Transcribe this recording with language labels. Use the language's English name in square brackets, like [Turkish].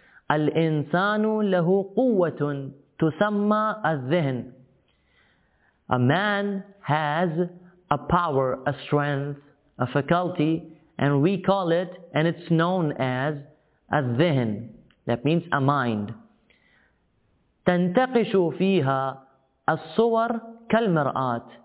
[Arabic] الإنسان له قوة تسمى الذهن. [English] A man has a power, a strength, a faculty, and we call it, and it's known as, الذهن. That means a mind. [Arabic] تنتقش فيها الصور كالمرآة.